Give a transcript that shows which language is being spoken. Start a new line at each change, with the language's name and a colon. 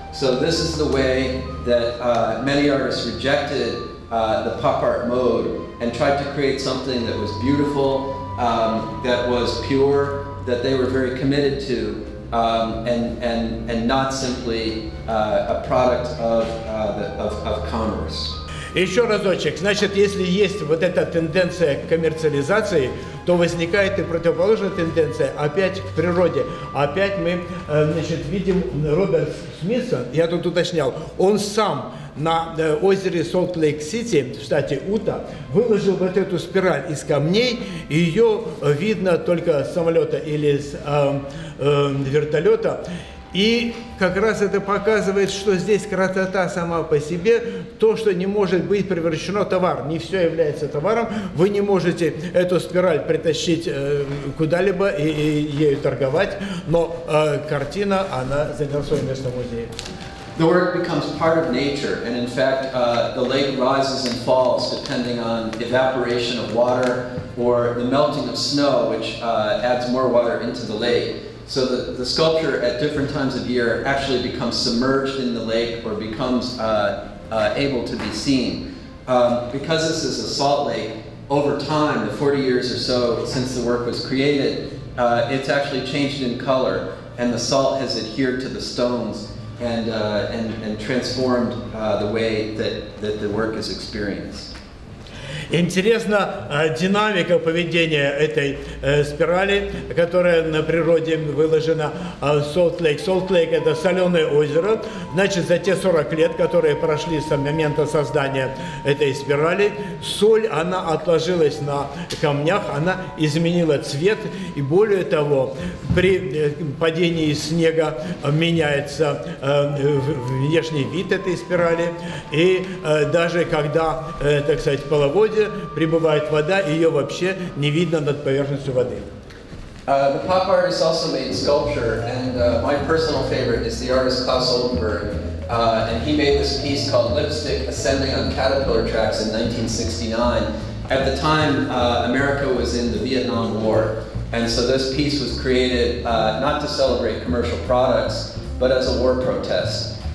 English: So this is the way that many artists rejected the pop art mode and tried to create something that was beautiful, that was pure, that they were very committed to, and not simply a product of commerce.
Russian: Еще разочек. Значит, если есть вот эта тенденция к коммерциализации, то возникает и противоположная тенденция опять к природе. Опять мы, значит, видим Роберт Смитсон, я тут уточнял, он сам на озере Солт-Лейк-Сити в штате Ута выложил вот эту спираль из камней, и ее видно только с самолета или с вертолета. И как раз это показывает, что здесь красота сама по себе, то, что не может быть превращено в товар. Не все является товаром, вы не можете эту спираль притащить куда-либо и ею торговать, но картина, она заняла свое место в музее.
English: The work becomes part of nature, and in fact, the lake rises and falls depending on evaporation of water or the melting of snow, which adds more water into the lake. So the sculpture at different times of year actually becomes submerged in the lake or becomes able to be seen. Because this is a salt lake, over time, the 40 years or so since the work was created, it's actually changed in color, and the salt has adhered to the stones and transformed the way that the work is experienced.
Russian: Интересна динамика поведения этой спирали, которая на природе выложена в Солт-Лейк. Солт-Лейк – это соленое озеро. Значит, за те 40 лет, которые прошли с момента создания этой спирали, соль, она отложилась на камнях, она изменила цвет. И более того, при падении снега меняется внешний вид этой спирали. И даже когда, так сказать, половодье, прибывает вода, ее вообще не видно над поверхностью воды.
English: The pop artist also made sculpture, and my personal favorite is the artist Klaus Oldenburg, and he made this piece called Lipstick Ascending on Caterpillar Tracks in 1969. At the time, America was in the Vietnam War, and so this piece was created not to celebrate commercial products, but as a war protest.